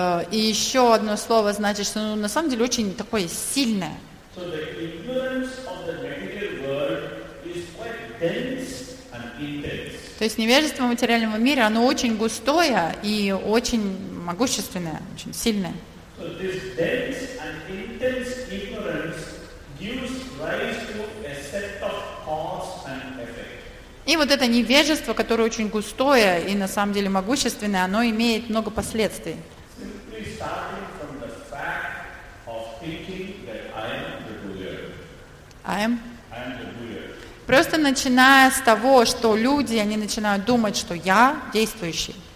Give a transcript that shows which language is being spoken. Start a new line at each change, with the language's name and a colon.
Russian: И еще одно слово значит, что на самом деле очень такое сильное. То есть невежество материального мира, оно очень густое и очень могущественное, очень сильное.
English: So this dense and intense ignorance gives rise to a set of cause and effect.
Russian: И вот это невежество, которое очень густое и на самом деле могущественное, оно имеет много последствий.
English: Simply starting from the fact of thinking that I am the doer. I am the doer.
Russian: Просто начиная с того, что люди, они начинают думать, что я действующий.